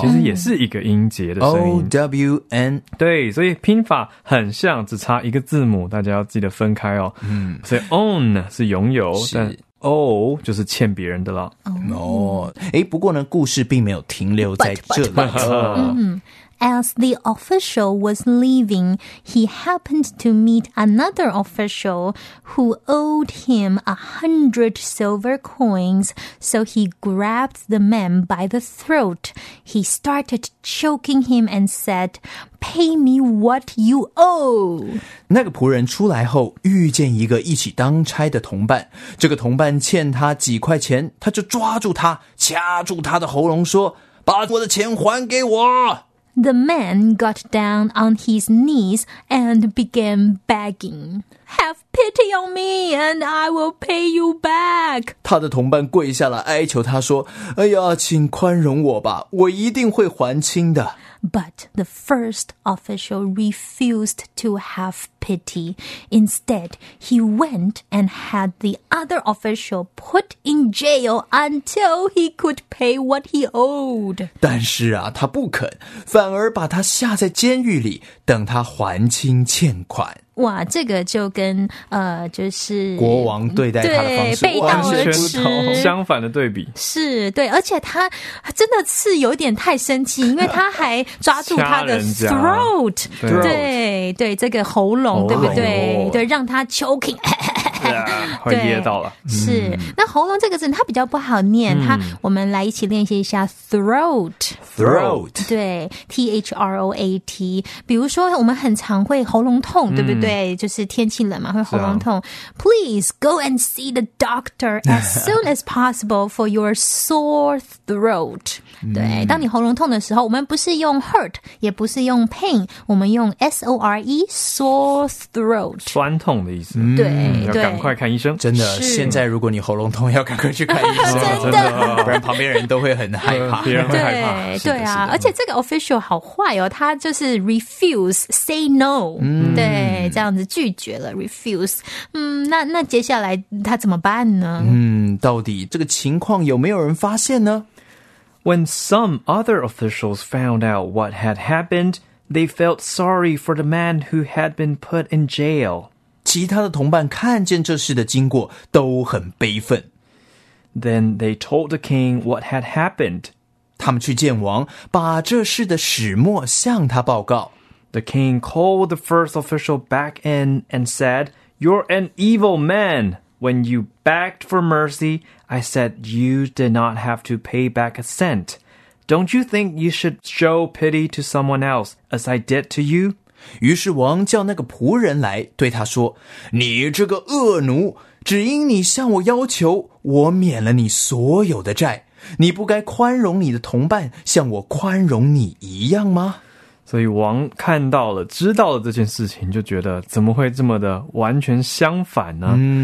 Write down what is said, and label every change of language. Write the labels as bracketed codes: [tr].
[zh] 其实也是一个音节的声音 [en] O-W-N， [zh] 对，所以拼法很像，只差一个字母，大家要记得分开哦、嗯、所以 own 是拥有，是，但 O 就是欠别人的啦、哦、不过呢故事并没有停留在这里 [en] but, but, but. As the official was leaving, he happened to meet another official who owed him 100 silver coins, so he grabbed the man by the throat. He started choking him and said, Pay me what you owe. [zh] 那个仆人出来后遇见一个一起当差的同伴，这个同伴欠他几块钱，他就抓住他，掐住他的喉咙说，把我的钱还给我。 [en] The man got down on his knees and began begging. Have pity on me and I will pay you back. [zh] 他的同伴跪下来哀求他说，哎呀，请宽容我吧，我一定会还清的。 [en] But the first official refused to have pity. Instead, he went and had the other official put in jail until he could pay what he owed. [zh] 但是啊，他不肯，反而把他下在监狱里，等他还清欠款。哇，这个就跟就是国王对待他的方式背道而驰，相反的对比是，对，而且他真的是有点太生气，因为他还抓住他的 throat， 对对，这个喉咙，对不对？对，让他 choking。对，噎到了。是，那喉咙这个字它比较不好念，它我们来一起练习一下 throat。 [en] throat。 [zh] 对 [en] ，throat。 [zh] 比如说，我们很常会喉咙痛，对不对？就是天气冷嘛，会喉咙痛。 [en] Please go and see the doctor as soon as possible for your sore throat。 [zh] 对，当你喉咙痛的时候，我们不是用 hurt， 也不是用 pain， 我们用 sore， sore throat，酸痛的意思。对。对，赶快看医生，真的，现在如果你喉咙痛要赶快去看医生真的，不然旁边人都会很害怕，别人会害怕。对啊，而且这个 official 好坏哦，他就是 [en] refuse say no， [zh] 对，这样子拒绝了 refuse。那接下来他怎么办呢？到底这个情况有没有人发现呢？ [en] When some other officials found out what had happened, they felt sorry for the man who had been put in jail. [zh] 其他的同伴看见这事的经过都很悲愤。 [en] Then they told the king what had happened. [zh] 他们去见王，把这事的始末向他报告。 [en] The king called the first official back in and said, You're an evil man. When you begged for mercy, I said you did not have to pay back a cent. Don't you think you should show pity to someone else as I did to you? [zh] 于是王叫那个仆人来对他说，你这个恶奴，只因你向我要求，我免了你所有的债，你不该宽容你的同伴像我宽容你一样吗？所以王看到了，知道了这件事情，就觉得怎么会这么的完全相反呢？